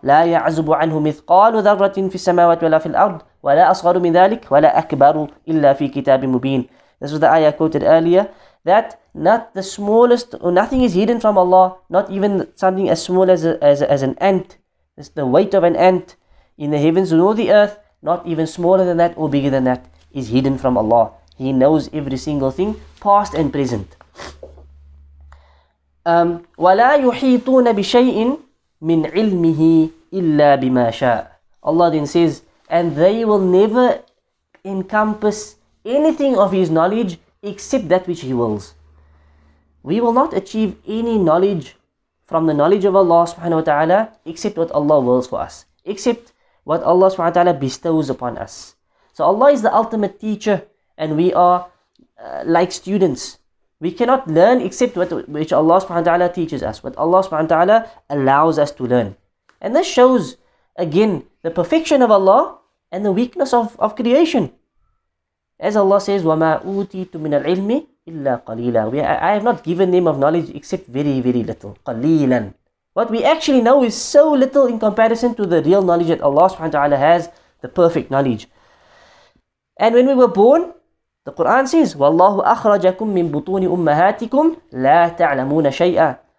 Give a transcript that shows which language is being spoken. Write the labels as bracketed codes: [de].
[ar] لا يعزب عنه مثقال ذرة في السماوات ولا في الأرض ولا أصغر من ذلك ولا أكبر إلا في كتاب مبين. [en] This is the ayah quoted earlier, that not the smallest, or nothing is hidden from Allah, not even something as small as an ant, it's the weight of an ant in the heavens nor the earth, not even smaller than that or bigger than that, is hidden from Allah. He knows every single thing, past and present. [ar] وَلَا يُحِيطُونَ بِشَيْءٍ مِّنْ عِلْمِهِ إِلَّا بِمَا شَاءَ. [en] Allah then says, and they will never encompass anything of His knowledge except that which He wills. We will not achieve any knowledge from the knowledge of Allah subhanahu wa ta'ala except what Allah wills for us, except what Allah subhanahu wa ta'ala bestows upon us. So Allah is the ultimate teacher, and we are like students. We cannot learn except which Allah subhanahu wa ta'ala teaches us, what Allah subhanahu wa ta'ala allows us to learn. And this shows, again, the perfection of Allah and the weakness of creation. As Allah says, [ar] وَمَا أُوتِيتُ مِنَ الْعِلْمِ إِلَّا قَلِيلًا. [en] I have not given them of knowledge except very, very little. [ar] قَلِيلًا. [en] What we actually know is so little in comparison to the real knowledge that Allah subhanahu wa ta'ala has, the perfect knowledge. And when we were born, the Quran says, [ar] وَاللَّهُ أَخْرَجَكُمْ مِنْ بُطُونِ أُمَّهَاتِكُمْ لَا تَعْلَمُونَ شَيْئًا.